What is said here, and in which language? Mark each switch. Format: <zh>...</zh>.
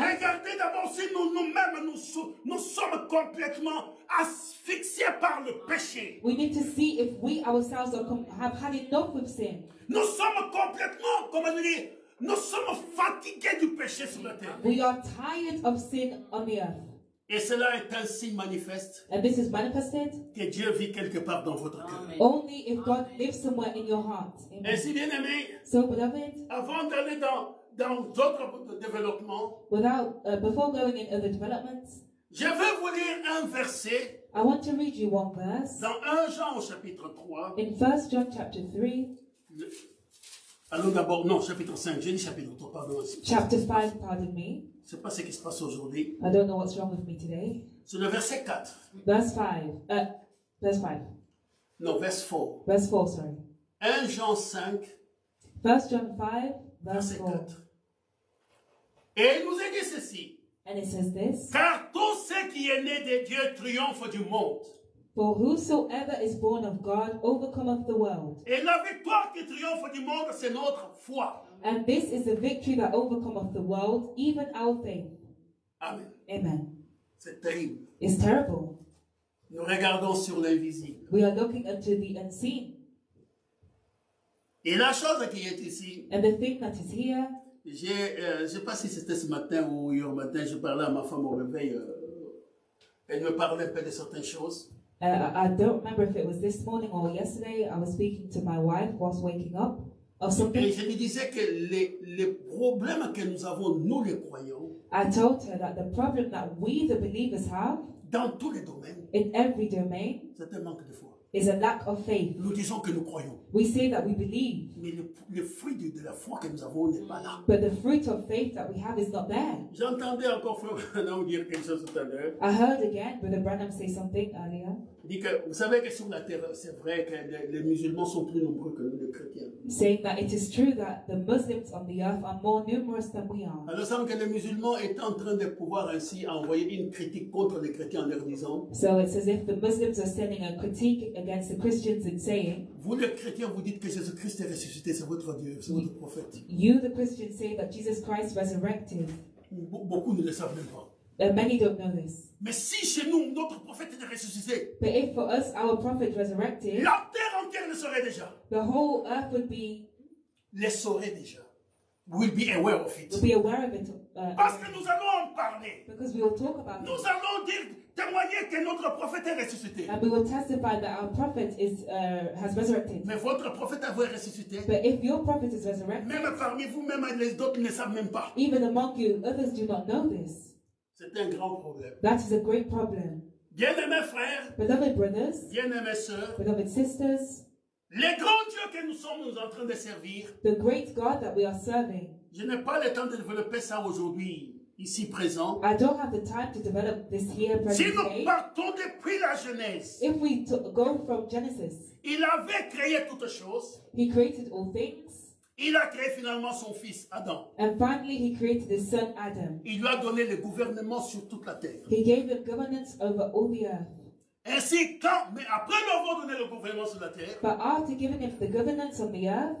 <fr>regardez d'abord si nous-mêmes nous sommes complètement asphyxiés par le péché.</fr> <en>We need to see if we ourselves have had enough with sin.</en> <fr>Nous sommes complètement, comme on dit, nous sommes fatigués du péché sur la terre.</fr> <en>We are tired of sin on the earth.</en> <fr>Et cela est un signe manifeste,</fr> <en>and this is manifested,</en> <fr>que Dieu vit quelque part dans votre cœur.</fr> <en>Only if God lives somewhere in your heart.</en> <fr>Amen. Et si bien aimé,</fr> <en>so beloved,</en> <fr>avant d'aller dans d'autres développements,</fr> <en>before going in other developments,</en> <fr>je veux vous lire un verset.</fr> <en>I want to read you one verse.</en> <fr>Dans 1 Jean au chapitre 3.</fr> <en>In 1 John chapter 3.</en> <fr>Allons d'abord, non, chapitre 5, j'ai dit chapitre 3, pardon.</fr> <en>Chapter 5, pardon me.</en> <fr>C'est pas ce qui se passe aujourd'hui.</fr> <en>I don't know what's wrong with me today.</en> <fr>C'est le verset 4.</fr> <en>Verse 5. Verse 5. Non, verse 4. Verse 4, sorry.</en> <fr>1 Jean 5.</fr> <en>1 John 5, verse 4.</en> <fr>Et il nous a dit ceci.</fr> <en>And it says this.</en> <fr>Car tout ce qui est né de Dieu triomphe du monde.</fr> <en>For whosoever is born of God overcometh the world.</en> <fr>Et la victoire qui triomphe du monde, c'est notre foi.</fr> <en>And this is the victory that overcometh the world, even our faith.</en> <fr>Amen.</fr> <en>Amen.</en> <fr>C'est terrible.</fr> <en>It's terrible.</en> <fr>Nous regardons sur l'invisible.</fr> <en>We are looking unto the unseen.</en> <fr>Et la chose qui est ici.</fr> <en>And the thing that is here.</en> <fr>Je ne sais pas si c'était ce matin ou hier matin, je parlais à ma femme au réveil. Elle me parlait un peu de certaines choses.</fr> <en>I don't remember if it was this morning or yesterday. I was speaking to my wife whilst waking up of something.</en> <fr>Et je lui disais que les problèmes que nous avons, nous les croyants,</fr> <en>I told her that the problem that we the believers have</en> <fr>dans tous les domaines,</fr> <en>in every domain,</en> <fr>c'est un manque de foi,</fr> <en>is a lack of faith.</en> <fr>Nous disons que nous croyons,</fr> <en>we say that we believe,</en> <fr>mais le fruit de la foi que nous avons n'est pas là.</fr> <en>But the fruit of faith that we have is not there.</en> <fr>J'entendais encore Frère Branham dire quelque chose tout à l'heure.</fr> <en>I heard again Brother Branham say something earlier.</en> <fr>Dit que vous savez que sur la terre, c'est vrai que les musulmans sont plus nombreux que nous les chrétiens.</fr> <en>Saying that it is true that the Muslims on the earth are more numerous than we are.</en> <fr>Alors, semble que les musulmans étaient en train de pouvoir ainsi envoyer une critique contre les chrétiens en leur disant.</fr> <en>So it's as if the Muslims are sending a critique against the Christians and saying.</en> <fr>Vous les chrétiens, vous dites que Jésus-Christ est ressuscité, c'est votre Dieu, c'est votre prophète.</fr> <en>You the Christians say that Jesus Christ resurrected.</en> <fr>Beaucoup ne le savent même pas.</fr> <en>Many don't know this.</en> <fr>Mais si chez nous notre prophète est ressuscité,</fr> <en>but if for us our prophet resurrected,</en> <fr>la terre entière le saurait déjà.</fr> <en>The whole earth would be,</en> <fr>le saurait déjà.</fr> <en>We'll be aware of it. We'll be aware of it.</en> <fr>Parce que nous allons en parler.</fr> <en>Because we will talk about</en> <fr>nous</fr> <en>it.</en> <fr>Nous allons dire, témoigner que notre prophète est ressuscité.</fr> <en>And we will testify that our prophet is has resurrected.</en> <fr>Mais votre prophète a voulu ressusciter.</fr> <en>But if your prophet is resurrected,</en> <fr>même parmi vous, même les autres ne savent même pas.</fr> <en>Even among you, others do not know this.</en> <fr>C'est un grand problème.</fr> <en>That is a great problem.</en> <fr>Bien-aimés frères.</fr> <en>Beloved brothers.</en> <fr>Bien-aimés sœurs.</fr> <en>Beloved sisters.</en> <fr>Les grands dieux que nous sommes en train de servir.</fr> <en>The great God that we are serving.</en> <fr>Je n'ai pas le temps de développer ça aujourd'hui, ici présent.</fr> <en>I don't have the time to develop this here present</en> <fr>day. Si nous partons depuis la Genèse.</fr> <en>If we go from Genesis.</en> <fr>Il avait créé toutes choses.</fr> <en>He created all things.</en> <fr>Il a créé finalement son fils Adam.</fr> <en>And finally he created his son Adam.</en> <fr>Il lui a donné le gouvernement sur toute la terre.</fr> <en>He gave him governance over all the earth.</en> <fr>Ainsi quand, mais après lui avoir donné le gouvernement sur la terre,</fr> <en>but after giving him the governance on the earth,</en>